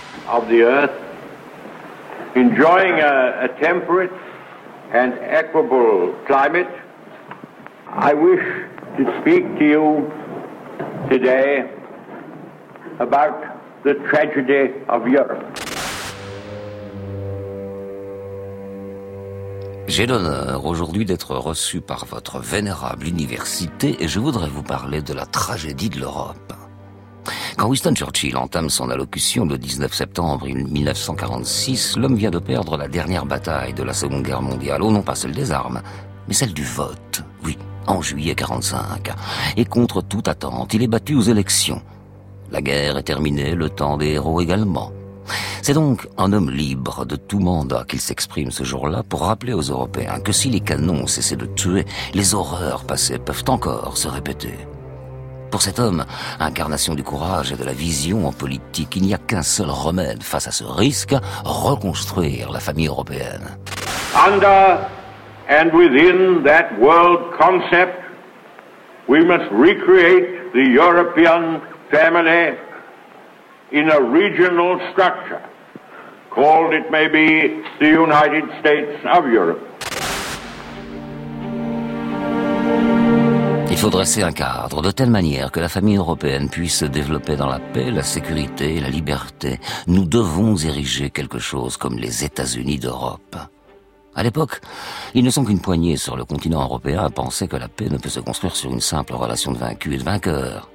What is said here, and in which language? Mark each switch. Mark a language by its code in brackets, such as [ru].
[en] Of the earth, enjoying a temperate and equable climate, I wish to speak to you today about the tragedy of Europe. [fr] J'ai l'honneur aujourd'hui d'être reçu par votre vénérable université et je voudrais vous parler de la tragédie de l'Europe. Quand Winston Churchill entame son allocution le 19 septembre 1946, l'homme vient de perdre la dernière bataille de la Seconde Guerre mondiale, non pas celle des armes, mais celle du vote, oui, en juillet 45. Et contre toute attente, il est battu aux élections. La guerre est terminée, le temps des héros également. C'est donc un homme libre de tout mandat qu'il s'exprime ce jour-là pour rappeler aux Européens que si les canons cessaient de tuer, les horreurs passées peuvent encore se répéter. Pour cet homme, incarnation du courage et de la vision en politique, il n'y a qu'un seul remède face à ce risque, reconstruire la famille européenne. [en] Under and within that world concept, we must recreate the European family in a regional structure, called it may be the United States of Europe. [fr] Il faut dresser un cadre de telle manière que la famille européenne puisse se développer dans la paix, la sécurité et la liberté. Nous devons ériger quelque chose comme les États-Unis d'Europe. À l'époque, ils ne sont qu'une poignée sur le continent européen à penser que la paix ne peut se construire sur une simple relation de vaincus et de vainqueurs.